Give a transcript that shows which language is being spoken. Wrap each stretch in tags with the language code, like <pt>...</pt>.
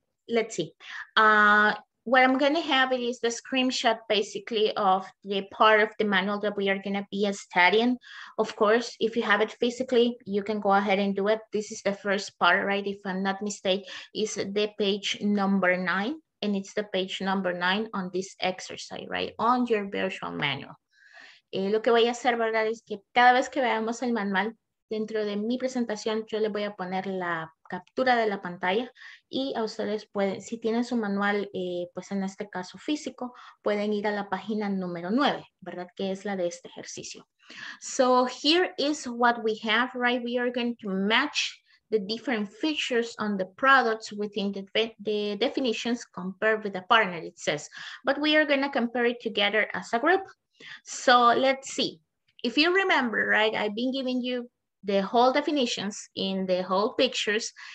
<en>Let's see. What I'm gonna have is the screenshot basically of the part of the manual that we are gonna be studying. Of course, if you have it physically, you can go ahead and do it. This is the first part, right? If I'm not mistaken, is the page number 9, and it's the page number 9 on this exercise, right? On your virtual manual.</en> <es>Lo que voy a hacer, verdad, es que cada vez que veamos el manual, dentro de mi presentación, yo le voy a poner la captura de la pantalla y a ustedes pueden, si tienen su manual, pues en este caso físico, pueden ir a la página número 9, ¿verdad? Que es la de este ejercicio.</es> <en>So here is what we have, right? We are going to match the different features on the products within the definitions compared with the partner, it says. But we are going to compare it together as a group. So let's see. If you remember, right, I've been giving you the whole definitions in the whole pictures.</en>